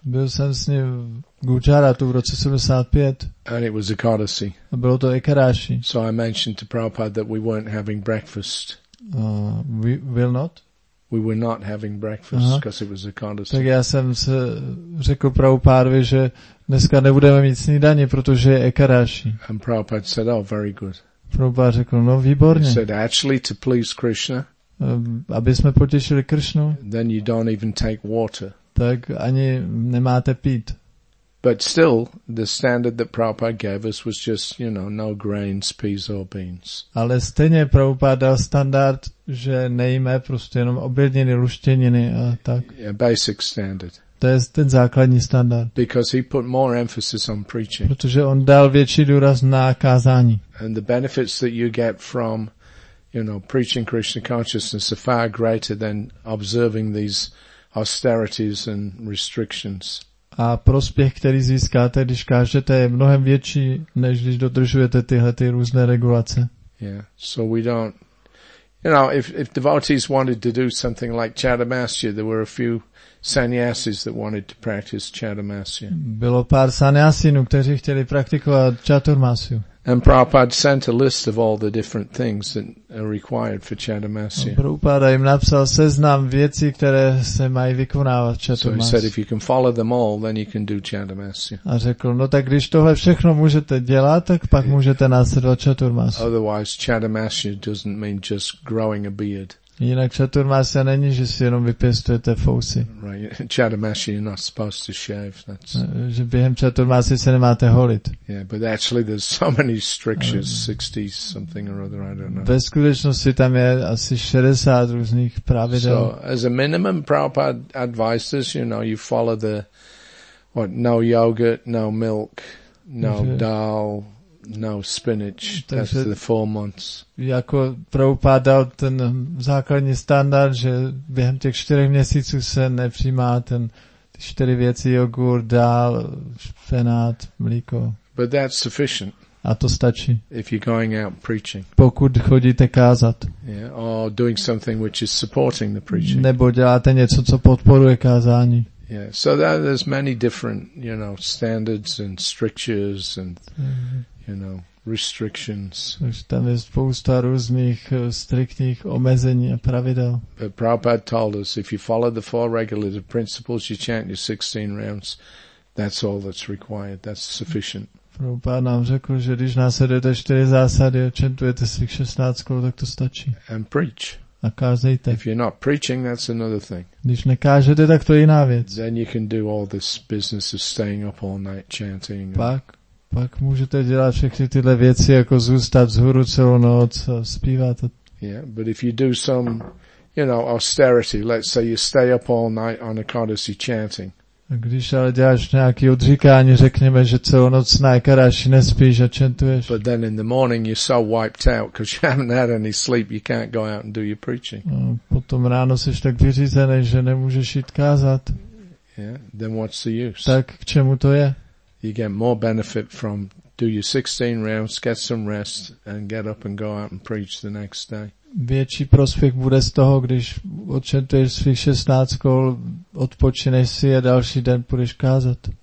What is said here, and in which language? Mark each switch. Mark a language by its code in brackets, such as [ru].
[cs] Byl jsem s ním v Gujaratu v roce 75. [en] And it was Ekadashi. [cs] A bylo to Ekadashi. [en] So I mentioned to Prabhupada that we weren't having breakfast. We were not having breakfast because it was a Ekadashi. [cs] Tak já jsem se řekl Prabhupádovi, že dneska nebudeme mít snídaně, protože je Ekadashi. [en] And Prabhupád said, oh, very good. [cs] Prabhupád řekl, no, výborně. [en] He said, actually, to please Krishna. [cs] Aby jsme potěšili Krishnu. [en] Then you don't even take water. [cs] Tak ani nemáte pít. [en] But still, the standard that Prabhupada gave us was just, you know, no grains, peas or beans. [cs] Ale stejně Prabhupada dal standard, že nejíme prostě jenom obilniny, luštěniny a tak. [en] A basic standard. [cs] To je ten základní standard. [en] Because he put more emphasis on preaching. [cs] Protože on dal větší důraz na kázání. [en] And the benefits that you get from, you know, preaching Krishna consciousness are far greater than observing these austerities and restrictions. [cs] A prospěch, který získáte, když kážete, je mnohem větší, než když dodržujete tyhle ty různé regulace. [en] Yeah, so we don't, you know, if devotees wanted to do something like chaturmasya, there were a few sannyasis that wanted to practice chaturmasya. [cs] Bylo pár sannyasinů, kteří chtěli praktikovat chaturmasyu. [en] And Prabhupada sent a list of all the different things that are required for chaturmasya. [cs] Prabhupada jim napsal seznam věcí, které se mají vykonávat chaturmasya. [en] So he said, if you can follow them all, then you can do chaturmasya. [cs] A řekl, no tak když tohle všechno můžete dělat, tak pak můžete následovat chaturmasya. [en] Otherwise, chaturmasya doesn't mean just growing a beard. [cs] Jinak chaturmasya není, že si jenom vypěstujete fousy. [en] Right, chaturmasya you're not supposed to shave. That's... [cs] Že během chaturmasya se nemáte holit. [en] Yeah, but actually there's so many strictures, 60 something or other, I don't know. [cs] Ve skutečnosti tam je asi 60 různých pravidel. [en] So, as a minimum, Prabhupada advised us, you know, you follow the, what, no yogurt, no milk, no dal. No spinach. [cs] Takže [en] after the 4 months. [cs] Jako propadal ten základní standard, že během těch 4 měsíců se nepřijímá ten 4 věci, jogurt, dál, špenát, mlíko. [en] But that's sufficient. [cs] A to stačí. [en] If you're going out preaching. [cs] Pokud chodíte kázat. [en] Yeah, or doing something which is supporting the preaching. [cs] Nebo děláte něco, co podporuje kázání. [en] Yeah, so that, there's many different, you know, standards and strictures and, you know, restrictions. [cs] Tam je spousta různých striktních omezení a pravidel. [en] But Prabhupada told us, if you follow the 4 regulative principles, you chant your 16 rounds, that's all that's required, that's sufficient. [cs] Prabhupada nám řekl, že když následujete 4 zásady a chantujete svých 16 kol, tak to stačí. [en] And preach. [cs] A kázejte. [en] If you're not preaching, that's another thing. [cs] Když nekážete, tak to je jiná věc. [en] Then you can do all this business of staying up all night chanting. [cs] Pak můžete dělat všechny tyhle věci, jako zůstat vzhůru celou noc a zpívat. [en] Yeah, but if you do some, you know, austerity, let's say you stay up all night on a Ekadasi chanting. [cs] A když ale děláš nějaké odříkání, řekněme, že celou noc na Ekadasi nespíš a čentuješ. [en] But then in the morning you're so wiped out because you haven't had any sleep, you can't go out and do your preaching. [cs] A potom ráno seš tak vyřízený, že nemůžeš jít kázat. [en] Yeah, then what's the use? [cs] Tak k čemu to je? [en] You get more benefit from do your 16 rounds, get some rest and get up and go out and preach the next day. [cs] Větší prospěch bude z toho, když odčetuješ svých 16 kol, odpočineš si a další den půjdeš kázat.